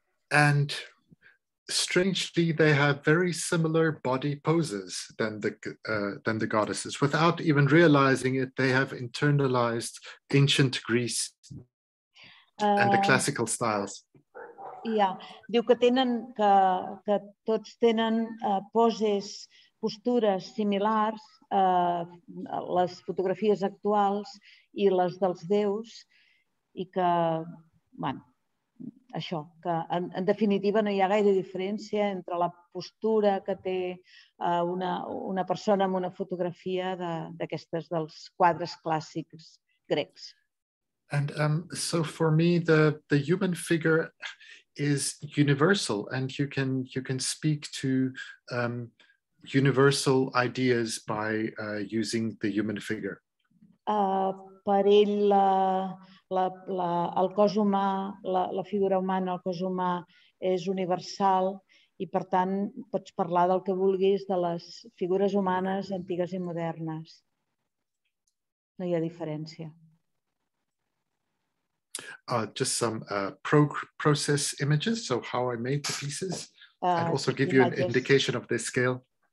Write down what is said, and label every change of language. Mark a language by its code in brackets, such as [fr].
[en] And strangely, they have very similar body poses than the goddesses. Without even realizing it, they have internalized ancient Greece and the classical styles. [ca] Yeah, diu que tenen que tots tenen poses, postures similars, les fotografies actuals i les dels déus, i que, bueno, això, que en definitiva no hi ha gaire diferència entre la postura que té una persona amb una fotografia d'aquestes dels quadres clàssics grecs. [en] And so for me the human figure is universal, and you can speak to universal ideas by using the human figure. [ca] Per ell el cos humà, la figura humana, el cos humà és universal, i per tant pots parlar del que vulguis de les figures humanes antigues i modernes. No hi ha diferència. [en] Just some process images, so how I made the pieces, and also give imatges, you an indication of the scale.